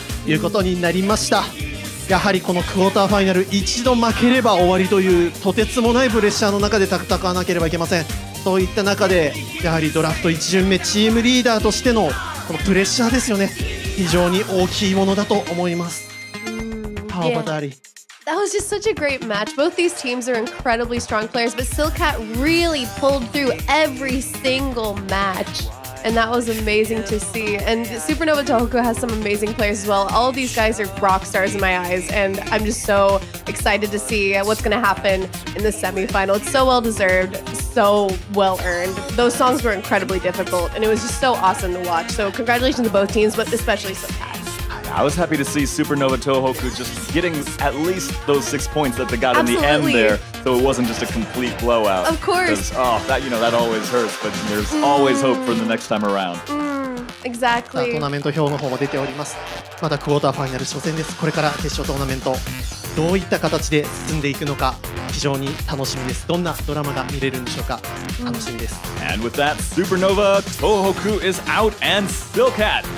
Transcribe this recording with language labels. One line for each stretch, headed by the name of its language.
Japanese: いうことになりました。やはりこのクォーターファイナル、一度負ければ終わりというとてつもないプレッシャーの中で戦わなければいけません。そういった中で、やはりドラフト1巡目チームリーダーとして このプレッシャーですよね、非常に大きいものだと思います。
English: How about that? That was just such a great match. Both these teams are incredibly strong players, but Stillcat really pulled through every single match. And that was amazing to see. And Supernova Tohoku has some amazing players as well. All of these guys are rock stars in my eyes. And I'm just so excited to see what's going to happen in the semifinal. It's so well deserved, so well earned. Those songs were incredibly difficult, and it was just so awesome to watch. So congratulations to both teams, but especially Stillcat. I was happy to see Supernova Tohoku just getting at least those 6 points that they got、 Absolutely. In the end there, so it wasn't just a complete blowout. Of course. Oh, that, you know, that always hurts, but there's、mm. always hope for the next time around.、 Mm. Exactly.
Japanese: トーナメント表の方も出ております。まだクォーターファイナル初戦です。これから決勝トーナメント、どういった形で進んでいくのか、非常に楽しみです。どんなドラマが見れるんでしょうか、楽しみです。 Mm.
English: And with that, Supernova Tohoku is out and Stillcat.